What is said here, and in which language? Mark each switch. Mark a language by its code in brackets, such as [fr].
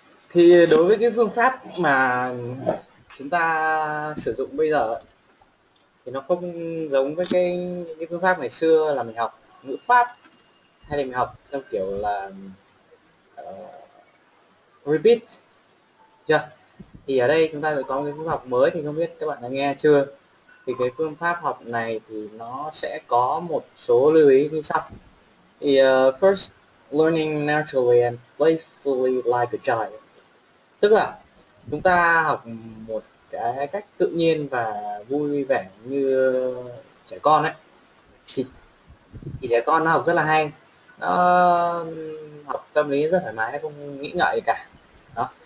[vi] Thì đối với cái phương pháp mà chúng ta sử dụng bây giờ thì nó không giống với cái phương pháp ngày xưa là mình học ngữ pháp, hay là mình học theo kiểu là repeat chưa. Thì ở đây chúng ta sẽ có một cái phương pháp mới, thì không biết các bạn đã nghe chưa. Thì cái phương pháp học này thì nó sẽ có một số lưu ý như sau. [en] Thì first, learning naturally and playfully like a child. [vi] Tức là chúng ta học một cái cách tự nhiên và vui vẻ như trẻ con ấy. Thì trẻ con nó học rất là hay. Nó học tâm lý rất thoải mái, nó không nghĩ ngợi gì cả. Đó.